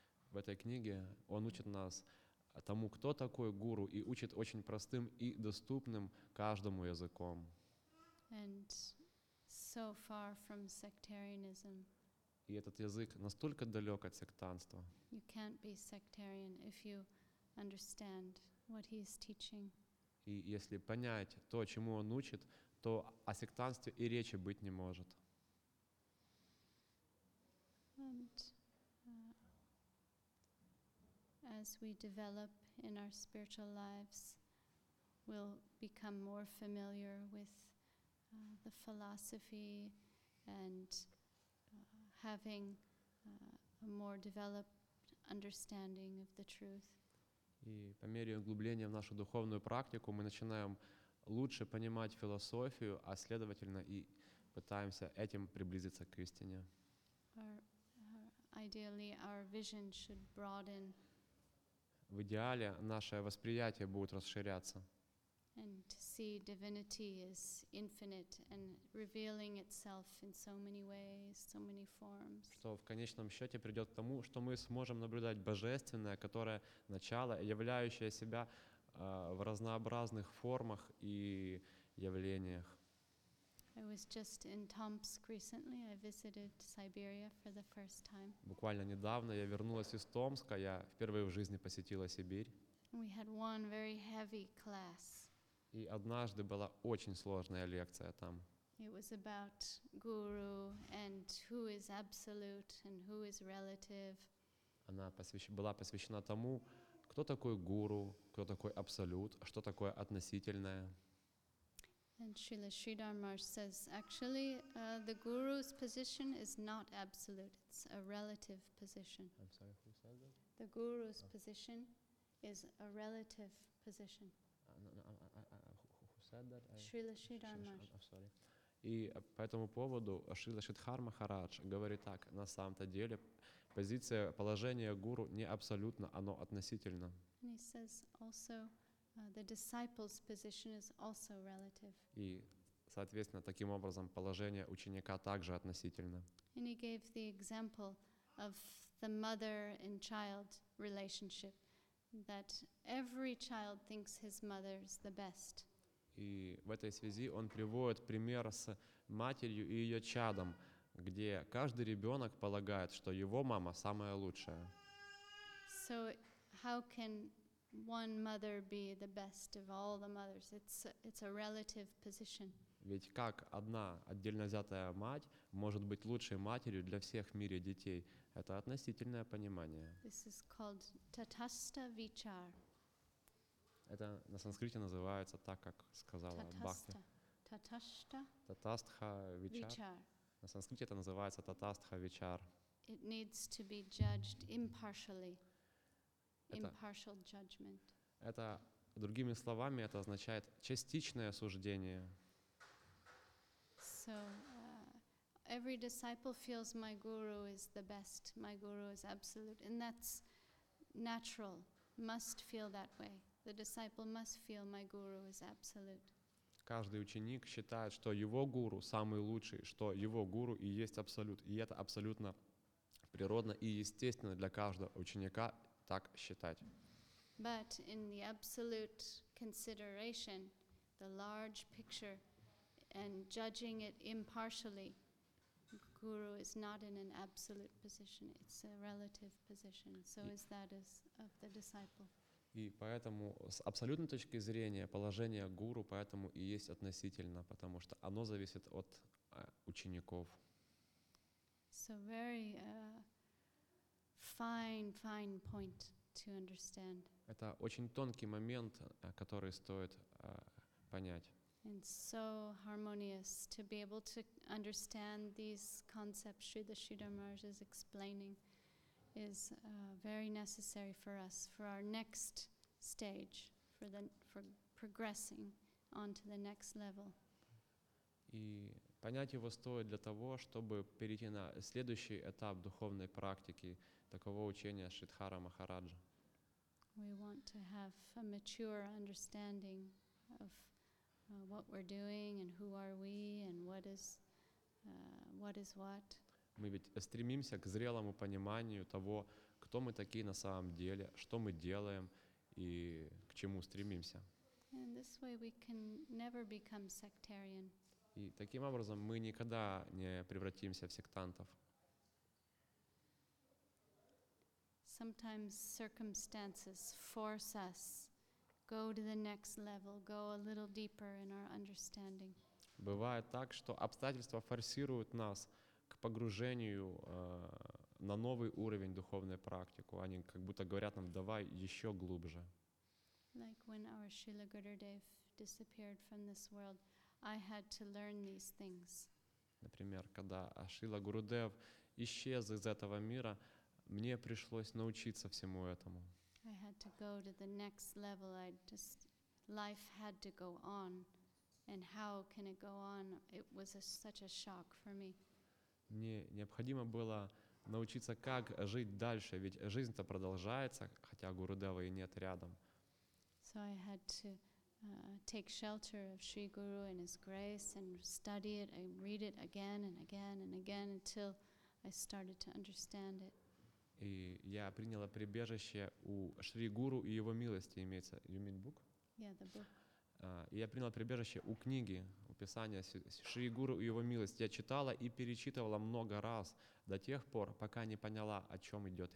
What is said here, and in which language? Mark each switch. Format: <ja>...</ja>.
<ru>В этой книге он учит нас тому, кто такой гуру, и учит очень простым и доступным каждому языком.</ru> <en>So far from sectarianism.</en> <ru>И этот язык настолько далек от сектантства.</ru> <en>You can't be sectarian if you understand what he is teaching.</en> <ru>И если понять то, чему он учит, то о сектантстве и речи быть не может.</ru> <en>And as we develop in our spiritual lives, we'll become more familiar with the philosophy and having a more developed understanding of the truth.</en> <ru>И по мере углубления в нашу духовную практику мы начинаем лучше понимать философию, а следовательно и пытаемся этим приблизиться к истине.</ru> <en>Ideally, our vision should broaden.</en> <ru>В идеале наше восприятие будет расширяться.</ru> <en>And to see divinity is infinite and revealing itself in so many ways, so many forms.</en> <ru>Что в конечном счете придет к тому, что мы сможем наблюдать божественное, которое начало, являющее себя в разнообразных формах и явлениях.</ru> <en>I was just in Tomsk recently. I visited Siberia for the first time.</en> <ru>Буквально недавно я вернулась из Томска. Я впервые в жизни посетила Сибирь.</ru> <en>We had one very heavy class.</en> <ru>И однажды была очень сложная лекция там.</ru> <en>It was about guru and who is absolute and who is relative.</en> <ru>Она была посвящена тому, кто такой гуру, кто такой абсолют, что такое относительное.</ru> <en>And Srila Sridhar Maharaj says, actually, the guru's position is not absolute, it's a relative position. I'm sorry, who said that? The guru's position is a relative position. Who said that? Srila Sridhar Maharaj. I'm sorry.</en> <ru>И по этому поводу Шрила Шридхар Махарадж говорит так: на самом-то деле позиция, положение гуру не абсолютно, оно относительно.</ru> <en>And he says also, the disciple's position is also relative.</en> <ru>И, соответственно, таким образом положение ученика также относительно.</ru> <en>And he gave the example of the mother and child relationship, that every child thinks his mother is the best.</en> <ru>И в этой связи он приводит пример с матерью и ее чадом, где каждый ребенок полагает, что его мама самая лучшая.</ru> <en>So how can one mother be the best of all the mothers? It's a relative position.</en> <ru>Ведь как одна отдельно взятая мать может быть лучшей матерью для всех в мире детей? Это относительное понимание.</ru> <en>This is called tatastha vichar.</en> <ru>Это на санскрите называется так, как сказала Бхакти. Татастха вичар. На санскрите это называется татастха вичар.</ru> <en>It needs to be judged impartially. Impartial judgment.</en> <ru>Это, другими словами, это означает частичное суждение.</ru> <en>So, every disciple feels my guru is the best, my guru is absolute, and that's natural, must feel that way. The disciple must feel my guru is absolute.</en> <ru>Каждый ученик считает, что его гуру самый лучший, что его гуру и есть абсолют, и это абсолютно природно и естественно для каждого ученика так считать.</ru> <en>But in the absolute consideration, the large picture, and judging it impartially, guru is not in an absolute position. It's a relative position. So is that is of the disciple.</en> <ru>И поэтому с абсолютной точки зрения положение гуру поэтому и есть относительно, потому что оно зависит от учеников.</ru> <en>So very fine point to understand.</en> <ru>Это очень тонкий момент, который стоит понять.</ru> <en>And so harmonious to be able to understand these concepts Shrida Sridhar Maharaj is explaining. Is very necessary for us for our next stage for progressing on to the next level.</en> <ru>И понять его стоит для того, чтобы перейти на следующий этап духовной практики такого учения Шридхара Махараджа.</ru> <en>We want to have a mature understanding of what we're doing and who are we and what is what.</en> <ru>Мы ведь стремимся к зрелому пониманию того, кто мы такие на самом деле, что мы делаем и к чему стремимся.</ru> <en>And this way we can never become sectarian.</en> <ru>И таким образом мы никогда не превратимся в сектантов.</ru> <en>Sometimes circumstances force us go to the next level, go a little deeper in our understanding.</en> <ru>Бывает так, что обстоятельства форсируют нас к погружению на новый уровень духовной практики. Они как будто говорят нам, давай еще глубже.</ru> <en>Like when our Srila Gurudev disappeared from this world, I had to learn these things.</en> <ru>Например, когда Шрила Гурудев исчез из этого мира, мне пришлось научиться всему этому.</ru> <en>I had to go to the next level. Life had to go on. And how can it go on? It was such a shock for me.</en> <ru>Мне необходимо было научиться, как жить дальше, ведь жизнь-то продолжается, хотя Гурудева и нет рядом.</ru> <en>So I had to take shelter of Sri Guru and his grace and study it and read it again and again and again until I started to understand it.</en> <ru>И я приняла прибежище у Шри Гуру и его милости, имеется</ru> <en>you mean book? Yeah, the book.</en> <ru>И я приняла прибежище у книги, Писание Шри Гуру и его милость. Я читала и перечитывала много раз до тех пор, пока не поняла, о чем идет</ru>